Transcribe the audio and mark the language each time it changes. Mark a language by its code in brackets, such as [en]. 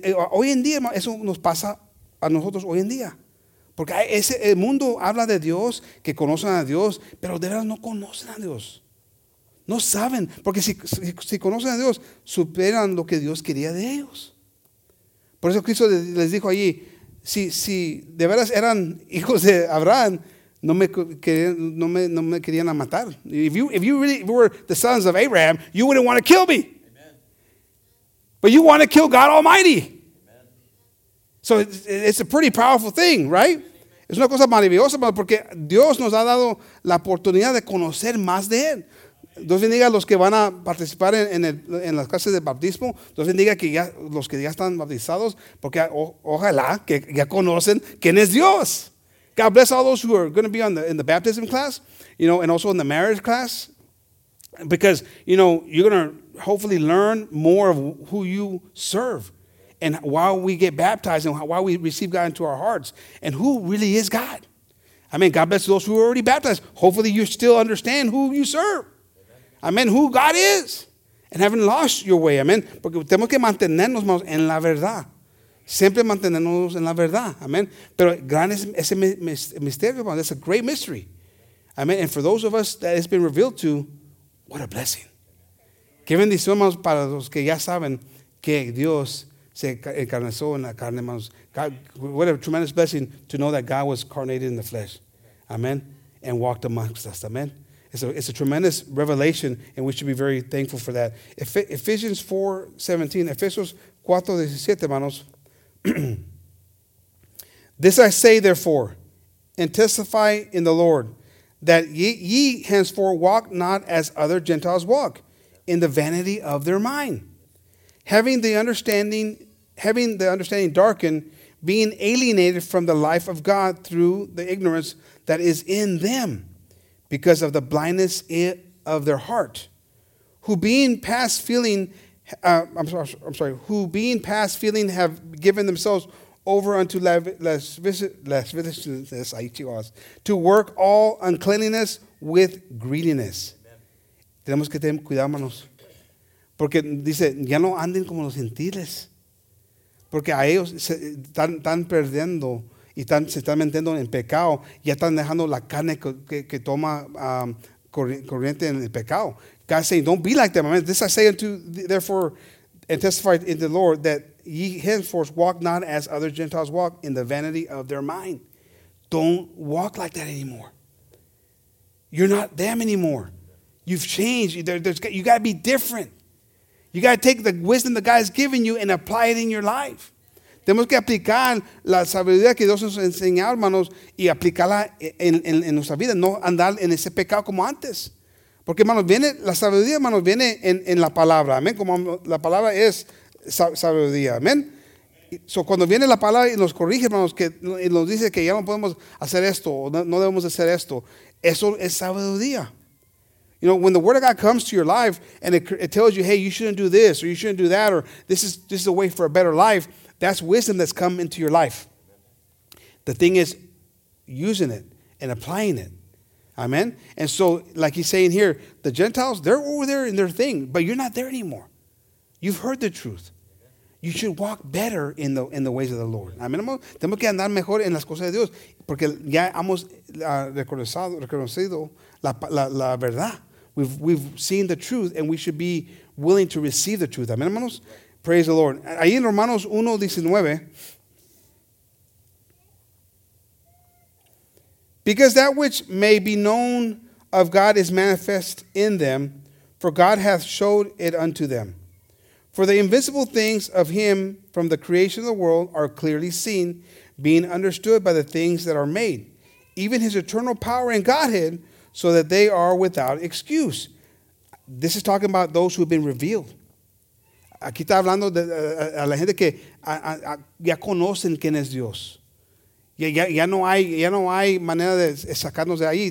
[es] Hoy en día eso nos pasa a nosotros hoy en día. Porque el mundo habla de Dios, que conocen a Dios, pero de verdad no conocen a Dios. No saben, porque si conocen a Dios, superan lo que Dios quería de ellos. Por eso Cristo les dijo allí, si de veras eran hijos de Abraham, no me querían matar. [en] If you really were the sons of Abraham, you wouldn't want to kill me. Amen. But you want to kill God Almighty. Amen. So it's a pretty powerful thing, right? Amen. [es] Es una cosa maravillosa, porque Dios nos ha dado la oportunidad de conocer más de Él. Dios bendiga a los que van a participar en las clases de bautismo. Dios bendiga que ya, los que ya están bautizados, porque ojalá que ya conocen quién es Dios. [en] God bless all those who are going to be in the baptism class, you know, and also in the marriage class, because, you know, you're going to hopefully learn more of who you serve and why we get baptized and why we receive God into our hearts and who really is God. I mean, God bless those who are already baptized. Hopefully you still understand who you serve. I mean, who God is, and haven't lost your way. I mean, [es] porque tenemos que mantenernos en la verdad. Siempre mantenernos en la verdad. [en] I mean, [es] pero grande es ese misterio, man. [en] That's a great mystery. I mean, and for those of us that it's been revealed to, what a blessing. [es] Qué bendición, man, para los que ya saben que Dios se encarnó en la carne, man. [en] What a tremendous blessing to know that God was incarnated in the flesh. Amen. And walked amongst us. Amen. It's a tremendous revelation, and we should be very thankful for that. Ephesians 4:17, Ephesians 4:17, hermanos. This I say, therefore, and testify in the Lord, that ye henceforth walk not as other Gentiles walk, in the vanity of their mind, having the understanding darkened, being alienated from the life of God through the ignorance that is in them, because of the blindness of their heart, who being past feeling have given themselves over unto lasciviousness, to work all uncleanness with greediness. [es] Tenemos que tener cuidado, manos, porque dice ya no anden como los gentiles, porque a ellos están perdiendo. Y se están metiendo en pecado. Ya están dejando la carne que toma corriente en el pecado. [en] God's saying, don't be like them. I mean, this I say unto, therefore, and testify in the Lord, that ye henceforth walk not as other Gentiles walk, in the vanity of their mind. Don't walk like that anymore. You're not them anymore. You've changed. You got to be different. You got to take the wisdom that God has given you and apply it in your life. [es] Tenemos que aplicar la sabiduría que Dios nos ha enseñado, hermanos, y aplicarla en nuestra vida, no andar en ese pecado como antes. Porque, hermanos, viene la sabiduría, hermanos, viene en la palabra. Amén. Como la palabra es sabiduría. Amén. So, cuando viene la palabra y nos corrige, hermanos, y nos dice que ya no podemos hacer esto, o no debemos hacer esto, eso es sabiduría. [en] You know, when the word of God comes to your life and it tells you, hey, you shouldn't do this or you shouldn't do that, or this is a way for a better life, that's wisdom that's come into your life. The thing is using it and applying it. Amen? And so, like he's saying here, the Gentiles, they're over there in their thing, but you're not there anymore. You've heard the truth. You should walk better in the ways of the Lord. Amen? [es] Tenemos que andar mejor en las cosas de Dios, porque ya hemos reconocido la verdad. [en] We've seen the truth, and we should be willing to receive the truth. Amen, hermanos? Praise the Lord. [es] Ahí en Romanos 1:19. [en] Because that which may be known of God is manifest in them, for God hath showed it unto them. For the invisible things of him from the creation of the world are clearly seen, being understood by the things that are made, even his eternal power and Godhead, so that they are without excuse. This is talking about those who have been revealed. [es] Aquí está hablando de, a la gente que a, ya conocen quién es Dios. Ya no hay manera de sacarnos de ahí.